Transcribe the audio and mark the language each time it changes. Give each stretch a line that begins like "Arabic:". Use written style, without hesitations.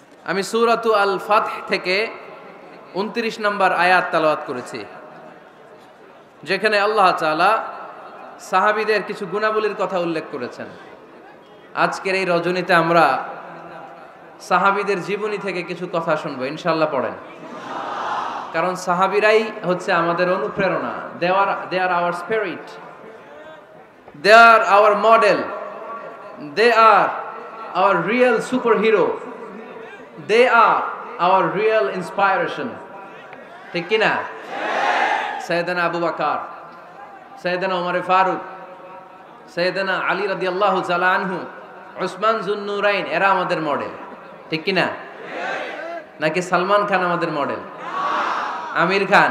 Bangla: আমি সূরাতু আল ফাতহ থেকে 29 নম্বর আয়াত তেলাওয়াত করেছি, যেখানে আল্লাহ তাআলা সাহাবীদের কিছু গুণাবলীর কথা উল্লেখ করেছেন। আজকের এই রজনীতে আমরা সাহাবীদের জীবনী থেকে কিছু কথা শুনব, ইনশাআল্লাহ পড়েন, কারণ সাহাবীরাই হচ্ছে আমাদের অনুপ্রেরণা,
English: They are our spirit. They are our model. They are our real superhero. They are our real inspiration.
Bangla: ঠিক কি না? সাইয়েদানা আবু বকর, সাইয়েদানা ওমর ফারুক, সাইয়েদানা আলী রাদিয়াল্লাহু তাআলা আনহু, উসমান যুন্নুরাইন, এরা আমাদের মডেল, ঠিক কি না? নাকি সালমান খান আমাদের মডেল? না। আমির খান?